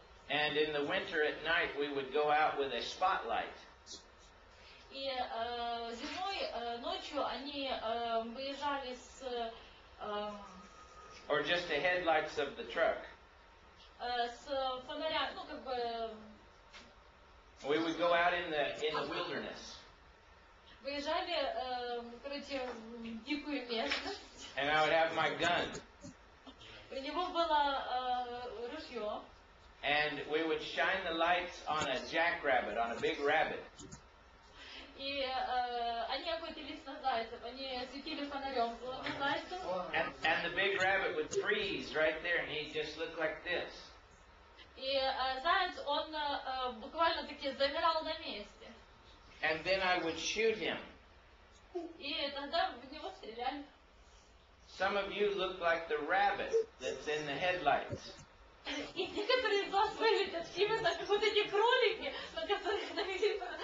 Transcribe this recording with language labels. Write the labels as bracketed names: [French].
[English] And in the winter at night we would go out with a spotlight. [Russian] И зимой ночью они выезжали с [English] or just the headlights of the truck. [Russian] С фонаря, ну как бы [English] we would go out in the wilderness. [Russian] Выезжали, короче, в дикую местность. [English] And I would have my gun. [Russian] У него было ружье. [English] And we would shine the lights on a jackrabbit, on a big rabbit. [Russian] И они охотились на зайцев, они светили фонарем на зайцев. [English] And the big rabbit would freeze right there, and he'd just look like this. [Russian] И заяц, он буквально таки замирал на месте. [English] And then I would shoot him. [Russian] И тогда в него стреляли. [English] Some of you look like the rabbit that's in the headlights. [Russian] И те, которые из вас были, это все именно как вот эти кролики, на которых навели.